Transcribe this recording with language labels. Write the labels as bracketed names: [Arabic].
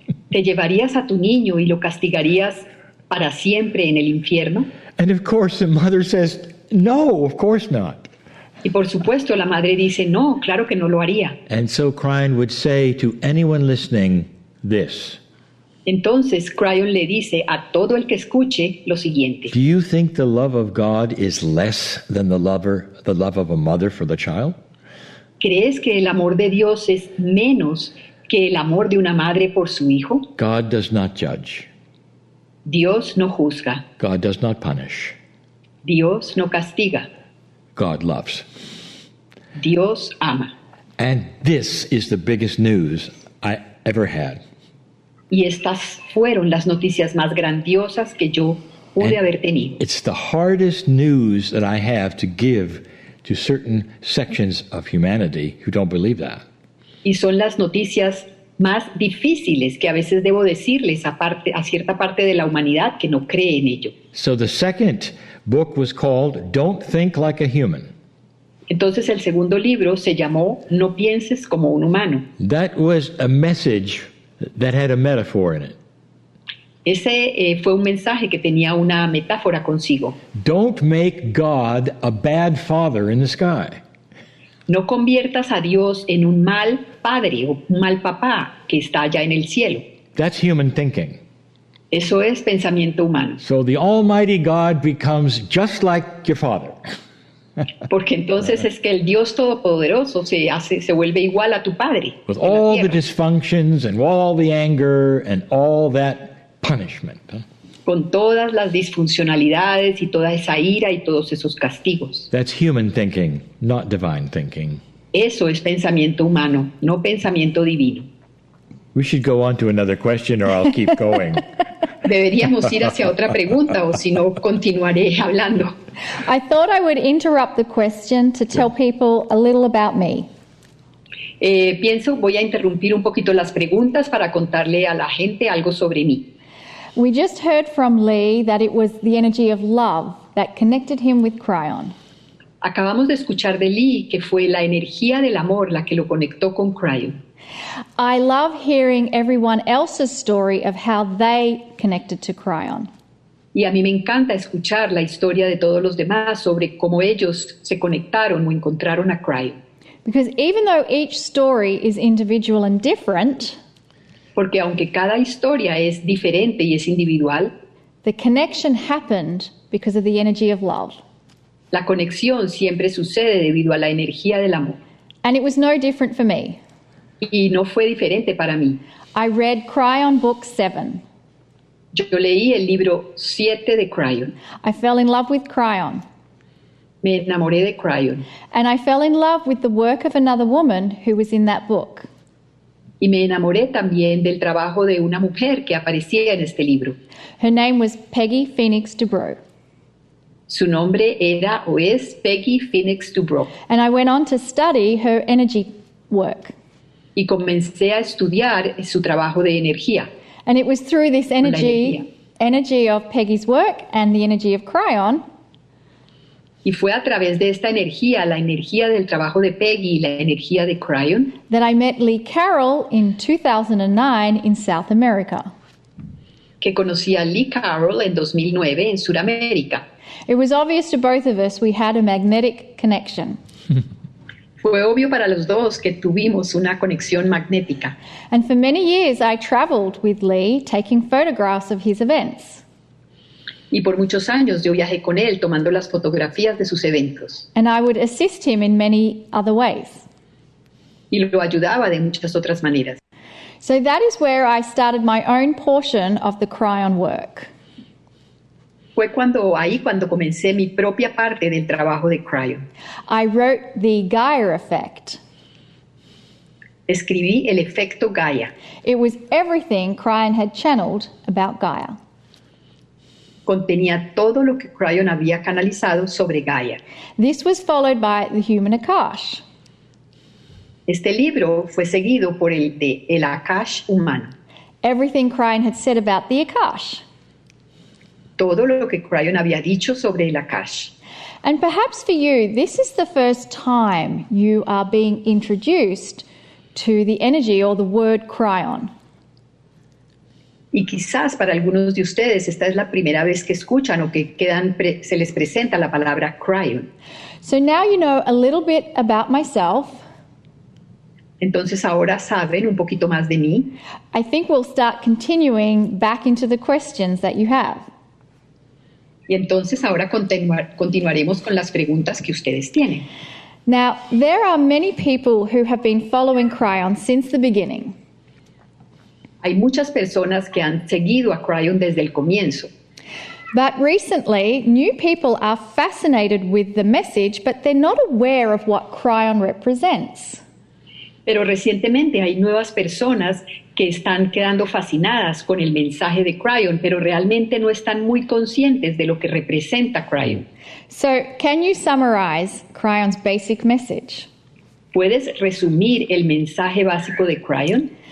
[Spanish] ¿Te llevarías a tu niño y lo castigarías para siempre en el infierno? [English] And of course the mother says, "No, of course not." [Spanish] Y por supuesto la madre dice, "No, claro que no lo haría." [English] And so Cryon would say to anyone listening this. [Spanish] Entonces Cryon le dice a todo el que escuche lo siguiente. [English] "Do you think the love of God is less than the love of a mother for the child?" [Spanish] ¿Crees que el amor de Dios es menos que el amor de una madre por su hijo? [English] God does not judge. [Spanish] Dios no juzga. [English] God does not punish. [Spanish] Dios no castiga. [English] God loves. [Spanish] Dios ama. [English] And this is the biggest news I ever had. [Spanish] Y estas fueron las noticias más grandiosas que yo pude haber tenido. [English] It's the hardest news that I have to give to certain sections of humanity who don't believe that. [Spanish] Y son las noticias más difíciles que a veces debo decirles a cierta parte de la humanidad que no cree en ello. [English] So the second book was called Don't Think Like a Human. [Spanish] Entonces el segundo libro se llamó No Pienses Como un Humano. [English] That was a message that had a metaphor in it. [Spanish] Ese fue un mensaje que tenía una metáfora consigo. [English] Don't make God a bad father in the sky. [Spanish] No conviertas a Dios en un mal padre o un mal papá que está allá en el cielo. [English] That's human thinking. [Spanish] Eso es pensamiento humano. [English] So the Almighty God becomes just like your father. [Spanish] Porque entonces es que el Dios Todopoderoso se vuelve igual a tu padre. [English] With all the dysfunctions and all the anger and all that punishment. [Spanish] Con todas las disfuncionalidades y toda esa ira y todos esos castigos. [English] That's human thinking, not divine thinking. [Spanish] Eso es pensamiento humano, no pensamiento divino. [English] We should go on to another question or I'll keep going. [Spanish] Deberíamos ir hacia otra pregunta o si no continuaré hablando. [English] I thought I would interrupt the question to tell people a little about me. [Spanish] Pienso, voy a interrumpir un poquito las preguntas para contarle a la gente algo sobre mí. [English] We just heard from Lee that it was the energy of love that connected him with Kryon. [Spanish] Acabamos de escuchar de Lee que fue la energía del amor la que lo conectó con Kryon. [English] I love hearing everyone else's story of how they connected to Kryon. [Spanish] Y a mí me encanta escuchar la historia de todos los demás sobre cómo ellos se conectaron o encontraron a Kryon. [English] Because even though each story is individual and different, [Spanish] porque aunque cada historia es diferente y es individual, [English] the connection happened because of the energy of love. [Spanish] La conexión siempre sucede debido a la energía del amor. [English] And it was no different for me. [Spanish] Y no fue diferente para mí. [English] I read Kryon book 7. [Spanish] Yo leí el libro 7 de Kryon. [English] I fell in love with Kryon. [Spanish] Me enamoré de Kryon. [English] And I fell in love with the work of another woman who was in that book. [Spanish] Y me enamoré también del trabajo de una mujer que aparecía en este libro. [English] Her name was Peggy Phoenix Dubrow. [Spanish] Su nombre era o es Peggy Phoenix Dubrow. [English] And I went on to study her energy work. [Spanish] Y comencé a estudiar su trabajo de energía. [English] And it was through this energy of Peggy's work and the energy of Kryon. [Spanish] Y fue a través de esta energía, la energía del trabajo de Peggy y la energía de Kryon, [English] that I met Lee Carroll in 2009 in South America. [Spanish] Que conocí a Lee Carroll en 2009 en Sudamérica. [English] It was obvious to both of us we had a magnetic connection. [Spanish] Fue obvio para los dos que tuvimos una conexión magnética. [English] And for many years I traveled with Lee taking photographs of his events. [Spanish] Y por muchos años yo viajé con él tomando las fotografías de sus eventos. [English] And I would assist him in many other ways. [Spanish] Y lo ayudaba de muchas otras maneras. [English] So that is where I started my own portion of the Kryon work. [Spanish] Fue cuando comencé mi propia parte del trabajo de Kryon. [English] I wrote the Gaia effect. [Spanish] Escribí el efecto Gaia. [English] It was everything Kryon had channeled about Gaia. [Spanish] Contenía todo lo que Kryon había canalizado sobre Gaia. [English] This was followed by the Human Akash. [Spanish] Este libro fue seguido por el de El Akash Humano. [English] Everything Kryon had said about the Akash. [Spanish] Todo lo que Kryon había dicho sobre el Akash. [English] And perhaps for you, this is the first time you are being introduced to the energy or the word Kryon. [Spanish] Y quizás para algunos de ustedes esta es la primera vez que escuchan o que se les presenta la palabra Kryon. [English] So now you know a little bit about myself. [Spanish] Entonces ahora saben un poquito más de mí. [English] I think we'll start continuing back into the questions that you have. [Spanish] Y entonces ahora continuaremos con las preguntas que ustedes tienen. [English] Now, there are many people who have been following Kryon since the beginning. [Spanish] Hay muchas personas que han seguido a Kryon desde el comienzo. [English] But recently, new people are fascinated with the message, but they're not aware of what Kryon represents. [Spanish] Pero recientemente hay nuevas personas que están quedando fascinadas con el mensaje de Kryon, pero realmente no están muy conscientes de lo que representa Kryon. [English] So, can you summarize Kryon's basic message? [Spanish] ¿Puedes resumir el mensaje básico de Kryon?